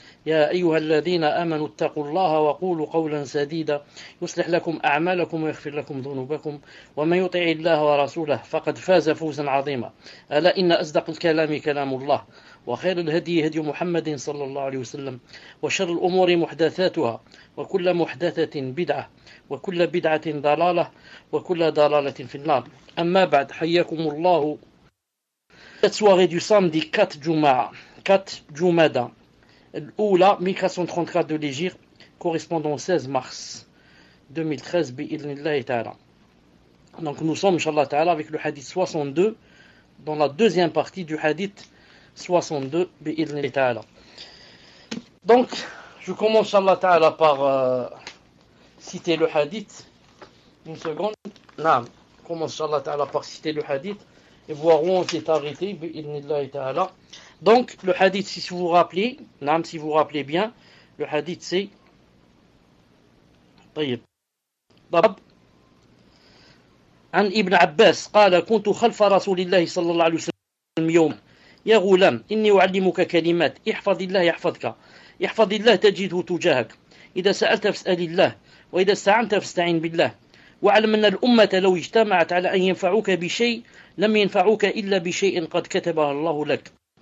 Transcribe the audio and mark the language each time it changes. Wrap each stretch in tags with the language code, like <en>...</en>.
<ar>يا أيها الذين آمنوا اتقوا الله وقولوا قولا سديدا يصلح لكم أعمالكم ويغفر لكم ذنوبكم، ومن يطع الله ورسوله فقد فاز فوزا عظيما. ألا إن أصدق الكلام كلام الله، وخير الهدي هدي محمد صلى الله عليه وسلم، وشر الأمور محدثاتها، وكل محدثة بدعة، وكل بدعة ضلالة، وكل ضلالة في النار. أما بعد، حياكم الله.</ar> <fr>Cette soirée du samedi 4 Jumada, 4 Jumada, l'Oula 1434 de l'Égir, correspondant au 16 mars 2013, bi'idhnillahi ta'ala. Donc nous sommes, inshallah ta'ala, avec le hadith 62, dans la deuxième partie du hadith 62, bi'idhnillahi ta'ala. Donc, je commence, inshallah ta'ala, par citer le hadith. Une seconde. Naam. Commence, inshallah ta'ala, par citer le hadith. Et voir où on s'est arrêté, bi'idhnillahi ta'ala. Donc, le hadith, si vous vous rappelez, Naam, si vous vous rappelez bien, le hadith, c'est...</fr> <ar>طيب. Bab. An Ibn Abbas, قال, كنت خلف رسول الله صلى الله عليه وسلم يوم. يا غلام إني أعلمك كلمات احفظ الله يحفظك احفظ الله تجده تجاهك إذا سألت فاسأل الله وإذا استعنت فاستعين بالله واعلم أن الأمة لو اجتمعت على أن ينفعوك بشيء لم ينفعوك إلا بشيء قد كتبه الله لك</ar>